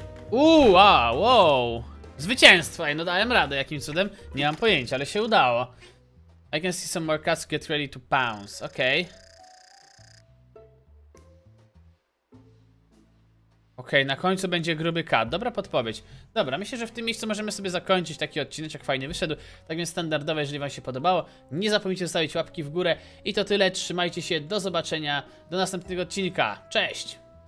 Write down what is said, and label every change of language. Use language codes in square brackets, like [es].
[pl] Wow. Zwycięstwo, no dałem radę, jakim cudem? Nie mam pojęcia, ale się udało. [en] I can see some more cats get ready to pounce. [pl] Okej, na końcu będzie gruby kat. Dobra podpowiedź. Dobra, myślę, że w tym miejscu możemy sobie zakończyć taki odcinek, jak fajnie wyszedł. Tak więc standardowe, jeżeli wam się podobało, nie zapomnijcie zostawić łapki w górę. I to tyle, trzymajcie się, do zobaczenia, do następnego odcinka. Cześć!